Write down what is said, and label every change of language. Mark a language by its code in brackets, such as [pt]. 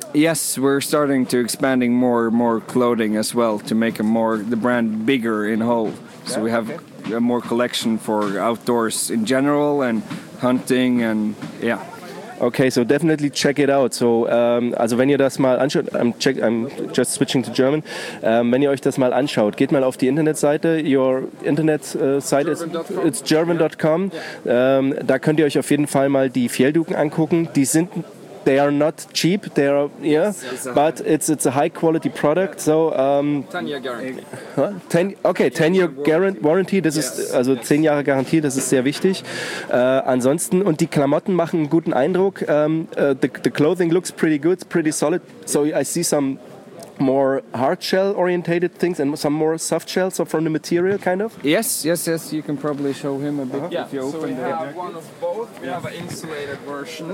[en] Yes, we're starting to expanding more clothing as well to make the brand bigger in whole. So yeah, we have a more collection for outdoors in general and hunting and yeah. Okay, so definitely check it out. [de] So, also wenn ihr das mal anschaut, [en] I'm just switching to German. [de] Wenn ihr euch das mal anschaut, geht mal auf die Internetseite. [en] Your Internet site German.com. It's German.com. Yeah. [de] Da könnt ihr euch auf jeden Fall mal die Fjällduken angucken. Die sind [en] They are not cheap. They are yeah, but it's a high quality product. So 10-year guarantee. Huh? Ten year warranty. [de] Das ist also 10 Jahre Garantie. Das ist sehr wichtig. Ansonsten und die Klamotten machen einen guten Eindruck. [en] The clothing looks pretty good, pretty solid. So I see some more hard shell orientated things and some more soft shell. So from the material, kind of. Yes. You can probably show him a bit if you open the. Yeah. So we have one of both. We have an insulated version.